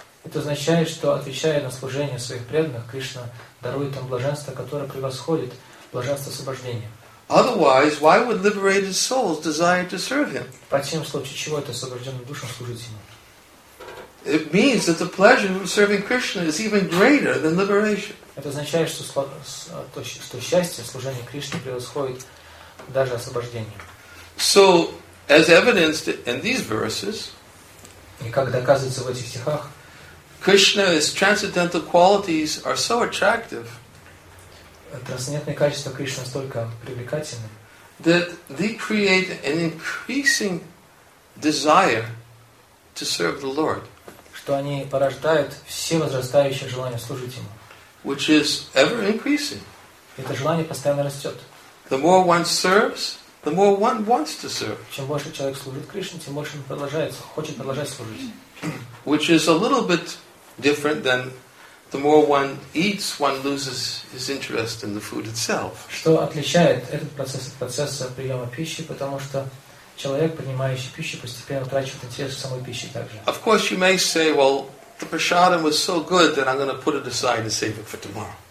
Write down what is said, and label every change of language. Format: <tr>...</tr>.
<ru>Это означает, что отвечая на служение своих преданных, Кришна дарует им блаженство, которое превосходит блаженство освобождения.</ru> <en>Otherwise, why would liberated souls desire to serve Him?</en> <ru>В противном случае, чего это освобожденным душам служить Ему?</ru> <en>It means that the pleasure of serving Krishna is even greater than liberation.</en> <ru>Это означает, что счастье служения Кришне превосходит даже освобождение.</ru> <en>So, as evidenced in these verses,</en> <ru>и как доказывается в этих стихах,</ru> <en>Krishna's transcendental qualities are so attractive.</en> <ru>Трансцендентные качества Кришны настолько привлекательны,</ru> <en>that they create an increasing desire to serve the Lord,</en> <ru>что они порождают все возрастающее желание служить Ему,</ru> <en>which is ever increasing.</en> <ru>Это желание постоянно растет.</ru> <en>The more one serves, the more one wants to serve.</en> <ru>Чем больше человек служит Кришне, тем больше он продолжается, хочет продолжать служить.</ru> <en>Which is a little bit different than the more one eats, one loses his interest in the food itself.</en> <ru>Что отличает этот процесс от процесса приема пищи, потому что человек, принимающий пищу, постепенно утрачивает интерес к самой пище также.</ru> <en>Of course, you may say, well, the prasadam was so good that I'm going to put it aside and save it for tomorrow.</en>